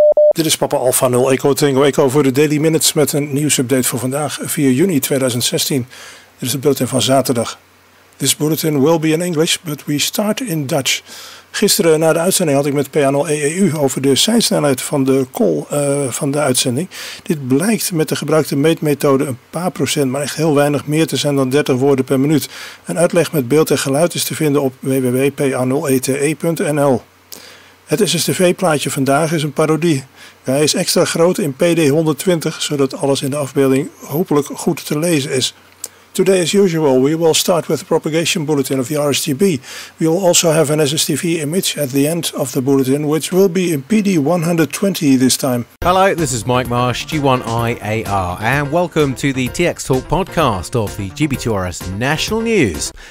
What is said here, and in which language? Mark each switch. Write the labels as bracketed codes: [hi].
[nl] Dit is Papa Alpha 0 Echo Tango Echo voor de Daily Minutes met een nieuwsupdate voor vandaag, 4 juni 2016. Dit is het bulletin van zaterdag. [en] This bulletin will be in English, but we start in Dutch. [nl] Gisteren na de uitzending had ik met PA0EEU over de seinsnelheid van de call van de uitzending. Dit blijkt met de gebruikte meetmethode een paar procent, maar echt heel weinig meer te zijn dan 30 woorden per minuut. Een uitleg met beeld en geluid is te vinden op www.pa0ete.nl. Het SSTV-plaatje vandaag is een parodie. Hij is extra groot in PD120, zodat alles in de afbeelding hopelijk goed te lezen is. [en] Today, as usual, we will start with the propagation bulletin of the RSTB. We will also have an SSTV image at the end of the bulletin, which will be in PD120 this time. Hello, this is Mike Marsh, G1IAR, and welcome to the TX Talk podcast of the GB2RS National News.